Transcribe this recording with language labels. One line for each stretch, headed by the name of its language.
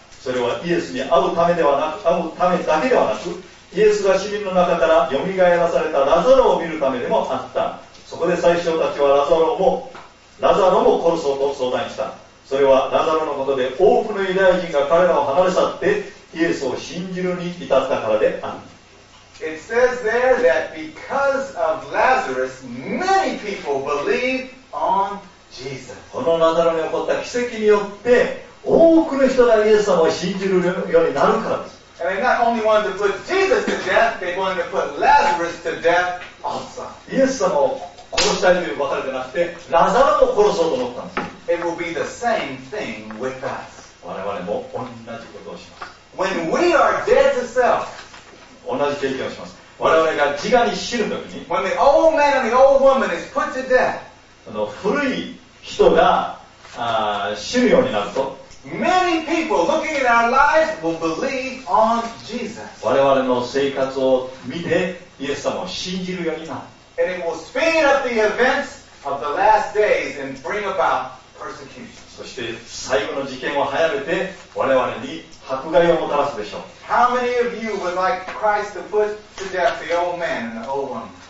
Japanese: それはイエスに会うためではなく、会うためだけではなく、イエスが死人の中からよみがえらされたラザロを見るためでもあった。そこで祭司長たちはラザロも殺そうと相談した。それはラザロのことで多くのユダヤ人が彼らを離れ去ってイエスを信じるに至ったからである。
English: It says there that because of Lazarus, many people believed on Jesus.
Japanese: このラザロに起こった奇跡によって多くの人がイエス様を信じるようになるからです。
English: And they not only wanted to put Jesus to death, they wanted to put Lazarus to death also.
Japanese: イエス様を殺したいというわけではなくて、ラザロを殺そうと思ったんです。
English: It will be the same thing with us.
Japanese: 我々も同じことをします。
English: When we are dead to self,
Japanese: 同じ経験をします。我々が自我に死ぬときに、
English: When the old man and the old woman is put to death,
Japanese: その古い人が死ぬようになると、
English: Many people looking at our lives will believe on Jesus.
Japanese: 我々の生活を見て、イエス様を信じるようになる。
English: And it will speed up the events of the last days and bring about persecution.
Japanese: そして最後の事件を早めて、我々に迫害をもたらすでしょう。
English: How many of you would like Christ to put to death the old man and the old woman?